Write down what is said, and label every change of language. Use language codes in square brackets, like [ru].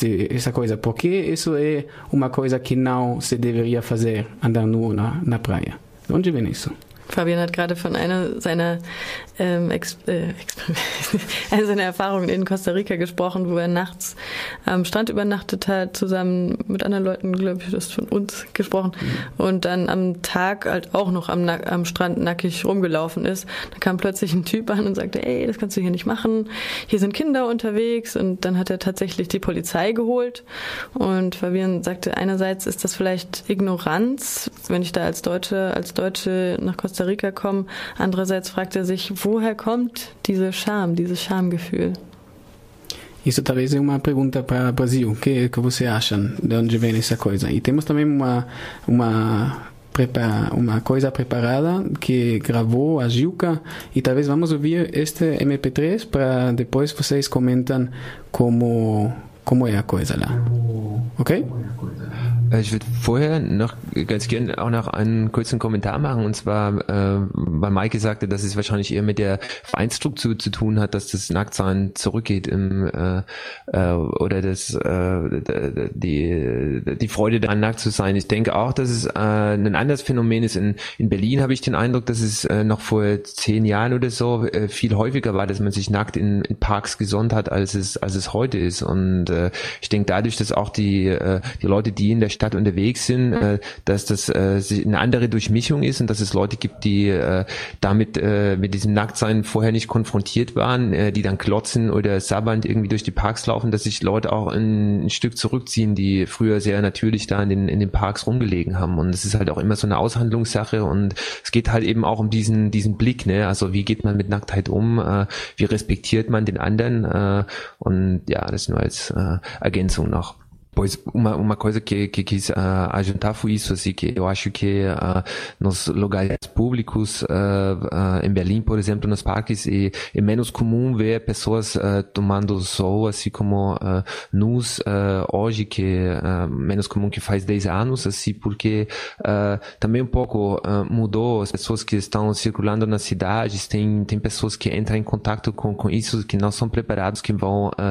[pt] Essa coisa, porque isso é uma coisa que não se deveria fazer, andar nu na praia. De onde vem isso? [de] Fabian hat gerade von einer seiner Erfahrungen in Costa Rica gesprochen, wo er nachts am Strand übernachtet hat, zusammen mit anderen Leuten, glaube ich, das von uns gesprochen, und dann am Tag halt auch noch am Strand nackig rumgelaufen ist. Da kam plötzlich ein Typ an und sagte, ey, das kannst du hier nicht machen, hier sind Kinder unterwegs, und dann hat er tatsächlich die Polizei geholt. Und Fabian sagte, einerseits ist das vielleicht Ignoranz, wenn ich da als Deutsche nach Costa Rica kommen. Andererseits fragt er sich, woher kommt diese Scham, dieses Schamgefühl? [pt] Isso talvez é uma pergunta para o Brasil. Que você acha? De onde vem essa coisa? E temos também uma coisa preparada que gravou a Gilca, e talvez vamos ouvir este MP3 para depois vocês comentem como é a coisa lá. Ok? [de] Ich würde vorher noch ganz gerne auch noch einen kurzen Kommentar machen, und zwar, weil Maike sagte, dass es wahrscheinlich eher mit der Vereinsstruktur zu tun hat, dass das Nacktsein zurückgeht die Freude daran, nackt zu sein. Ich denke auch, dass es ein anderes Phänomen ist. In Berlin habe ich den Eindruck, dass es noch vor 10 Jahren oder so viel häufiger war, dass man sich nackt in Parks gesonnt hat, als es heute ist. Und ich denke dadurch, dass auch die Leute, die in der Stadt unterwegs sind, dass das eine andere Durchmischung ist und dass es Leute gibt, die damit mit diesem Nacktsein vorher nicht konfrontiert waren, die dann klotzen oder sabbernd irgendwie durch die Parks laufen, dass sich Leute auch ein Stück zurückziehen, die früher sehr natürlich da in den Parks rumgelegen haben. Und es ist halt auch immer so eine Aushandlungssache, und es geht halt eben auch um diesen Blick, ne? Also wie geht man mit Nacktheit um, wie respektiert man den anderen, und ja, das nur als Ergänzung noch. [pt] Pois uma coisa que quis ajuntar foi isso, assim, que eu acho que nos lugares públicos, em Berlim, por exemplo, nos parques, é menos comum ver pessoas tomando sol, assim como nus, hoje, que menos comum que faz 10 anos, assim, porque também um pouco mudou as pessoas que estão circulando nas cidades, tem pessoas que entram em contato com isso, que não são preparados, que vão